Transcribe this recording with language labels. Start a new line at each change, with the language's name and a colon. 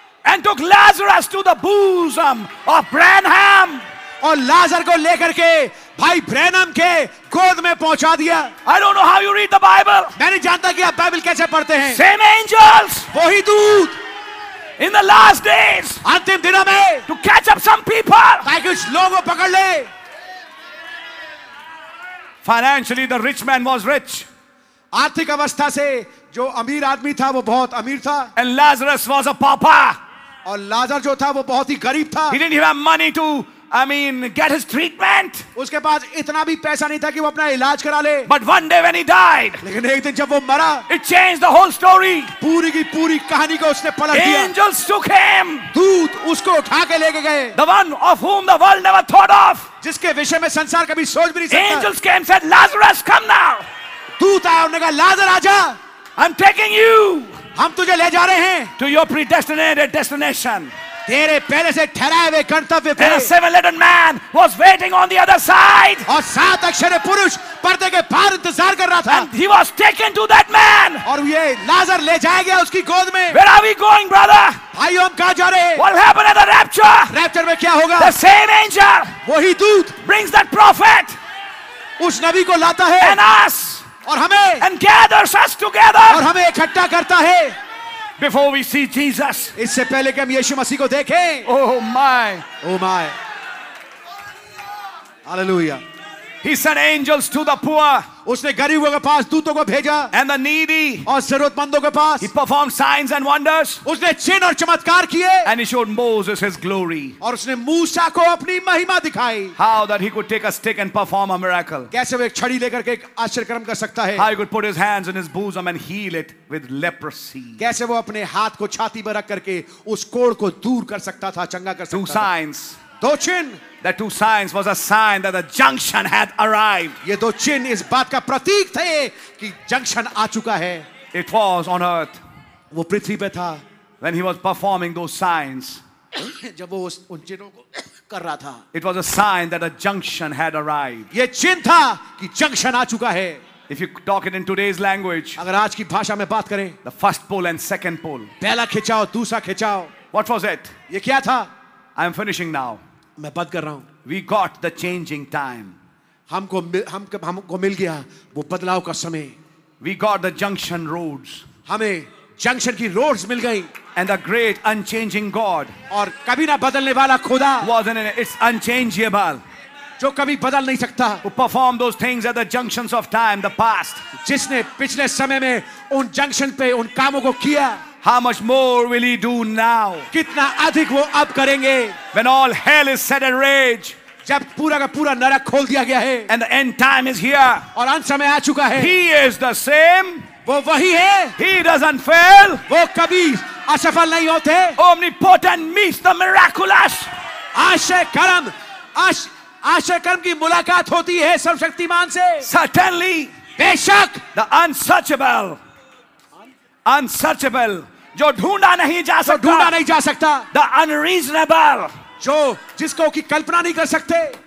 English: And took Lazarus to the bosom of Branham.
Hindi: और लाजर को लेकर के भाई ब्रैनम के गोद में पहुंचा दिया.
English: I don't know how you read the Bible.
Hindi: मैं नहीं जानता कि आप बाइबल कैसे पढ़ते हैं.
English: Same angels.
Hindi: वही दूत.
English: In the last days.
Hindi: अंतिम दिनों में.
English: To catch up some people.
Hindi: ताकि कुछ लोगों पकड़ ले.
English: Financially, the rich man was rich.
Hindi: आर्थिक अवस्था से जो अमीर आदमी था वो बहुत अमीर था.
English: And Lazarus was a pauper.
Hindi: और लाजर जो था वो बहुत ही गरीब था.
English: He didn't have money to, I mean, get his treatment.
Hindi: उसके पास इतना भी पैसा नहीं था कि वो अपना इलाज करा ले.
English: But one day when he died,
Hindi: लेकिन एक दिन जब वो मरा,
English: it changed the whole story.
Hindi: पूरी की पूरी कहानी को उसने पलट दिया.
English: Angels took him.
Hindi: दूत उसको उठा के लेके गए.
English: The one of whom the world never thought of.
Hindi: जिसके विषय में संसार कभी सोच भी नहीं सकता.
English: Angels came and said, Lazarus, come now.
Hindi: दूत आया और कहा, लाजर आजा.
English: I'm taking you.
Hindi: हम तुझे ले जा रहे हैं.
English: To your predestinated destination.
Hindi: तेरे पहले से ठहराए हुए गंतव्य पे.
English: A seven-letter man was waiting on the other side.
Hindi: और सात अक्षर पुरुष पर्दे के पार इंतजार कर रहा था.
English: And he was taken to that man.
Hindi: और ये लाजर ले जाया गया उसकी गोद में.
English: Where are we going, brother?
Hindi: भाई हम कहाँ जा रहे हैं?
English: What happened at the rapture?
Hindi: Rapture में क्या होगा?
English: The same angel.
Hindi: वही दूत.
English: Brings that prophet.
Hindi: उस नबी को लाता है.
English: And us.
Hindi: और हमें,
English: and gathers us together.
Hindi: और हमें इकट्ठा करता है.
English: Before we see Jesus.
Hindi: इससे पहले कि हम यीशु मसीह को देखें.
English: Oh my. Oh my. Hallelujah. He sent angels to the poor.
Hindi: उसने गरीबों के पास दूतों को भेजा.
English: And the needy.
Hindi: और जरूरतमंदों के पास.
English: He performed signs and wonders.
Hindi: उसने चिन्ह और चमत्कार किए.
English: And he showed Moses his glory.
Hindi: और उसने मूसा को अपनी महिमा दिखाई.
English: How that he could take a stick and perform a miracle.
Hindi: कैसे वो एक छड़ी लेकर के एक आश्चर्यकर्म कर सकता है.
English: How he could put his hands in his bosom and heal it with leprosy.
Hindi: कैसे वो अपने हाथ को छाती पर रख करके उस कोढ़ को दूर कर सकता था, चंगा कर सकता था.
English: Two signs.
Hindi: दो चिन्ह.
English: The two signs was a sign that the junction had arrived.
Hindi: ये दो चिन्ह इस बात का प्रतीक थे कि जंक्शन आ चुका है.
English: It was on earth.
Hindi: वो पृथ्वी पे था.
English: When he was performing those signs.
Hindi: जब वो उन चिन्हों को कर रहा था.
English: It was a sign that a junction had arrived.
Hindi: ये चिन्ह था कि जंक्शन आ चुका है.
English: If you talk it in today's language.
Hindi: अगर आज की भाषा में बात करें.
English: The first pole and second pole.
Hindi: पहला खिंचाओ, दूसरा खिंचाओ.
English: What was it?
Hindi: ये क्या था?
English: I am finishing now.
Hindi: मैं बात कर रहा हूं.
English: We got the changing time.
Hindi: हमको मिल गया वो बदलाव का समय.
English: We got the junction roads.
Hindi: हमें जंक्शन की रोड्स मिल गई.
English: And the great unchanging God.
Hindi: और कभी ना बदलने वाला खुदा.
English: Was in it. It's unchangeable.
Hindi: जो कभी बदल नहीं सकता.
English: Who performed those things at the junctions of time, the past.
Hindi: जिसने पिछले समय में उन जंक्शन पे उन कामों को किया.
English: How much more will he do now?
Hindi: कितना अधिक वो अब करेंगे?
English: When all hell is set at rage.
Hindi: जब पूरा का पूरा नरक खोल दिया गया है.
English: And the end time is here.
Hindi: और अंत समय आ चुका है.
English: He is the same.
Hindi: वो वही है.
English: He doesn't fail.
Hindi: वो कभी असफल नहीं होते.
English: Omnipotent meets the miraculous.
Hindi: आश्चर्यकर्म की मुलाकात होती है सर्वशक्तिमान से.
English: Certainly.
Hindi: बेशक.
English: The unsearchable. Unsearchable,
Hindi: जो ढूंढा नहीं जा सकता. ढूंढा नहीं जा सकता.
English: The unreasonable,
Hindi: जो जिसको की कल्पना नहीं कर सकते.